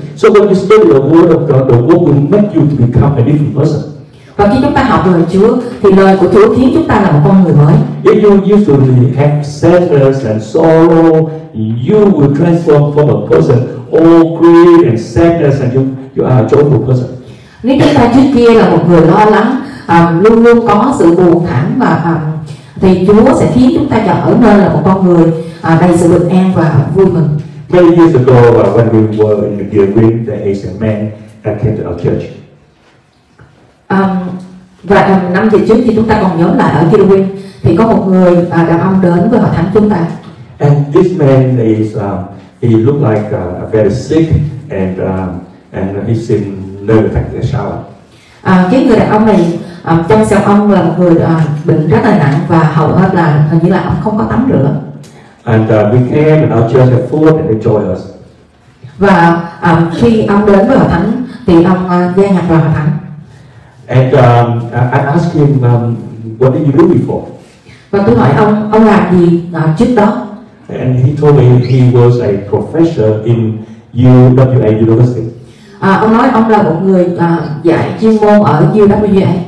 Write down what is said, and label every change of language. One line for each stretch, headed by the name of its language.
English: So when you study the word of God, the word will make you to become a different person.
Vietnamese: Và khi chúng ta học lời Chúa thì lời của Chúa khiến chúng ta là một con người mới.
English: If you usually have sadness and sorrow, you will transform from a person all grief and sadness and you are a joyful person.
Vietnamese: Nếu chúng ta trước kia là một người lo lắng, luôn luôn có sự buồn thảm và thì Chúa sẽ khiến chúng ta trở nên là một con người đầy sự bình an và vui mừng.
English: Many years ago, when we were in the Gilwin, there is a man that came to our church.
Vietnamese: Và năm về trước thì chúng ta còn nhớ lại ở Gilwin thì có một người đàn ông đến với hội thánh chúng ta.
English: And this man is he looked like very sick and he seemed nervous like a shower.
Vietnamese: Cái người đàn ông này trong xem ông là một người bệnh rất là nặng và hầu hết là hình như là ông không có tắm rửa.
English: And we came and our church had food and they joined us.
Vietnamese: Và khi ông đến với hội thánh thì ông gia nhập vào hội thánh.
English: And I asked him, what did you do before?
Vietnamese: Và tôi hỏi ông làm gì trước đó?
English: And he told me he was a professor in UWA University.
Vietnamese: Ông nói ông là một người dạy chuyên môn ở UWA.